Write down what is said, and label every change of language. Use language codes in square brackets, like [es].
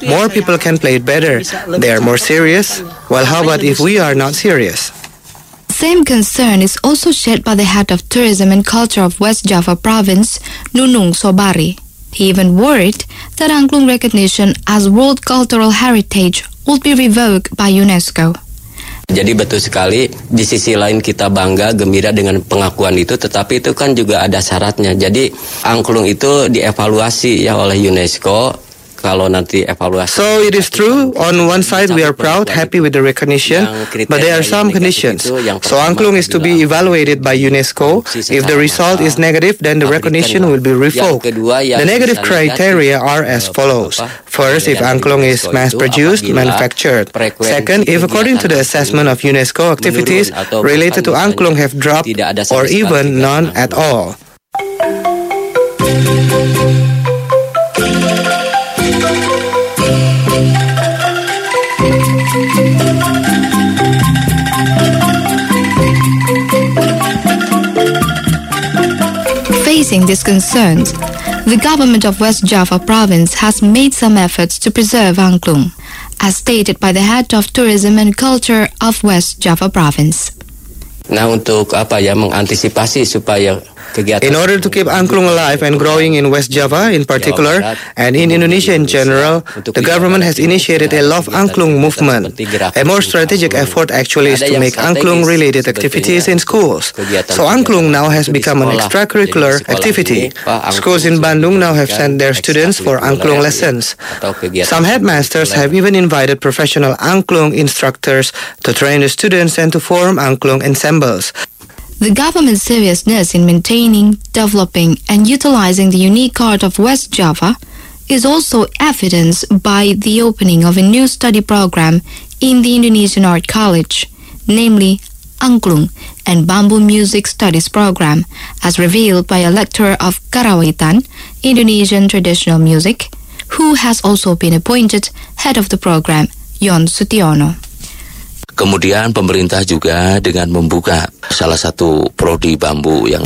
[en] More people can play it better. They are more serious. Well, how about if we are not serious? Same concern is also shared by the head of tourism and culture of West Java province, Nunung Sobari. He even worried that Angklung recognition as World Cultural Heritage would be revoked by UNESCO. [id] Jadi betul sekali, di sisi lain kita bangga, gembira dengan pengakuan itu, tetapi itu kan juga ada syaratnya. Jadi Angklung itu dievaluasi ya oleh UNESCO. [en] So it is true, on one side we are proud, happy with the recognition, but there are some conditions. So Angklung is to be evaluated by UNESCO. If the result is negative, then the recognition will be revoked. The negative criteria are as follows. First, if Angklung is mass-produced, manufactured. Second, if according to the assessment of UNESCO, activities related to Angklung have dropped or even none at all. Facing these concerns, the government of West Java province has made some efforts to preserve Angklung, as stated by the head of tourism and culture of West Java province. [id] Nah, untuk apa ya, mengantisipasi supaya [en] in order to keep Angklung alive and growing in West Java in particular, and in Indonesia in general, the government has initiated a Love Angklung movement. A more strategic effort actually is to make Angklung-related activities in schools. So Angklung now has become an extracurricular activity. Schools in Bandung now have sent their students for Angklung lessons. Some headmasters have even invited professional Angklung instructors to train the students and to form Angklung ensembles. The government's seriousness in maintaining, developing, and utilizing the unique art of West Java is also evidenced by the opening of a new study program in the Indonesian Art College, namely Angklung and Bamboo Music Studies Program, as revealed by a lecturer of Karawitan, Indonesian traditional music, who has also been appointed head of the program, Yon Sutiono. [id] Kemudian pemerintah juga dengan membuka salah satu prodi bambu yang.